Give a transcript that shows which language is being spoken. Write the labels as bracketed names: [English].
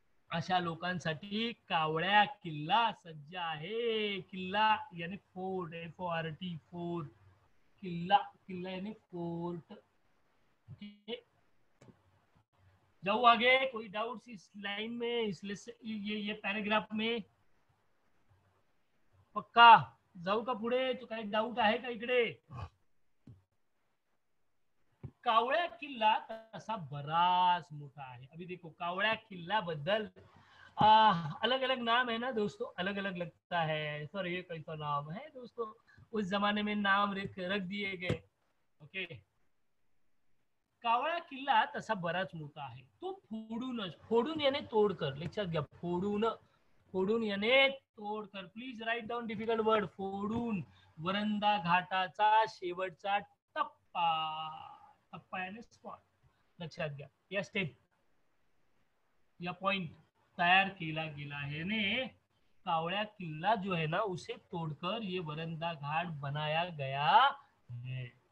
[Marathi] अशा लोकांसाठी कावळ्या किल्ला सज्ज आहे, किल्ला याने फोर्ट, FORT फोर्ट, किल्ला, किल्ला याने फोर्ट, जाऊ आगे, [Hindi] कोई डाउट्स इस लाइन में, ये पैराग्राफ में, [Marathi] पक्का जाऊ का पुढे, तू काही डाउट आहे का इकडे? कावळ्या किल्ला तसा बराच मोठा आहे, [Hindi] अभी देखो कावळ्या किल्ला बद्दल अलग अलग नाम है ना दोस्तों, अलग अलग लगता है, सॉरी ये कई का नाम है दोस्तों, उस जमाने में नाम रख दिए गए, ओके। [Marathi] कावळा किल्ला तसा बराच मोठा आहे, तो फोडूनच, फोडून याने तोड कर, लक्षात घ्या, फोडून, फोडून याने तोड कर, please write down difficult word, फोडून, वरंदा घाटाचा शेवटचा टप्पा, टप्पा याने स्पॉट, लक्षात घ्या या स्टेप, या पॉइंट तयार केला गेला आहे याने, [Hindi] कावळ्या किल्ला जो है ना उसे तोडकर ये वरंदा घाट बनाया गया है।